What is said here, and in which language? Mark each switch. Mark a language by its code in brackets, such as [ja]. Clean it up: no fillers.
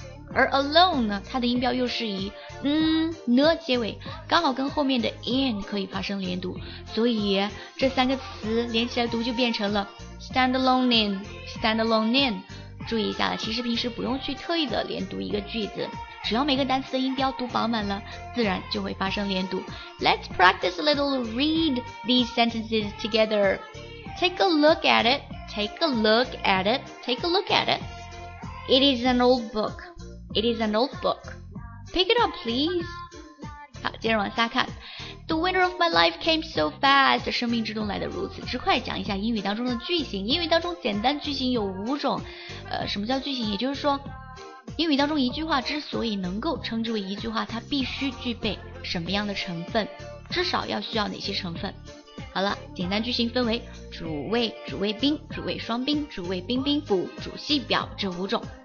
[zh] 而 alone 呢，它的音标又是以呢结尾，刚好跟后面的 in 可以发生连读，所以这三个词连起来读就变成了 [en] stand alone in stand alone in。 [zh] 注意一下，其实平时不用去特意的连读一个句子，只要每个单词的音标读饱满了，自然就会发生连读。 [en] Let's practice a little read these sentences together. Take a look at it. Take a look at it. Take a look at it. It is an old book. It is an old book. Pick it up, please. [zh] 好，接着往下看。 [en] The winter of my life came so fast. [zh] 生命之中来得如此之快。讲一下英语当中的句型。英语当中简单句型有五种。什么叫句型？也就是说，英语当中一句话之所以能够称之为一句话，它必须具备什么样的成分，至少要需要哪些成分。好了，简单句型分为主谓、主谓宾、主谓双宾、主谓宾宾辅、主系表这五种。